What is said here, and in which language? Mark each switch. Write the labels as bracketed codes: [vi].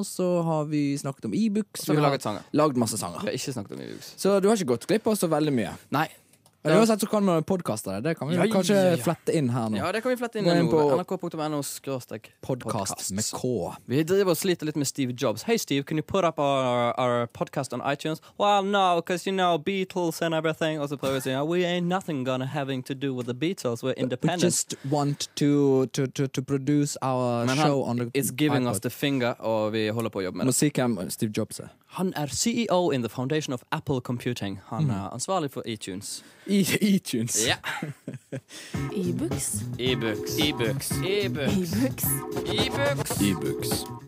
[no] Og så har vi snakket om Ibux. Så har vi laget sanger. Laget masse sanger. Vi har ikke snakket om Ibux. Så du har ikke gått glipp av så veldig mye. Nei. Uansett så kan vi podcaste det. Det kan vi kanskje flette inn her nå. Ja, det kan vi flette inn her nå. nrk.no/podcast med K. Vi driver og sliter litt med Steve Jobs. [en] Hey Steve, can you put up our podcast on iTunes? Well, no, because you know Beatles and everything. [no] Og så prøver vi å si, [en] we ain't nothing gonna having to do with the Beatles. We're independent. We just want to produce our show on the iPod. It's giving us the finger, [no] og vi holder på å jobbe med det. Musikken Steve Jobs [en] er. [no] Han er [en] CEO in the foundation of Apple Computing. [no] Han er ansvarlig for iTunes. iTunes. Ja. Ibux. Ibux. Ibux. Ibux. Ibux. Ibux.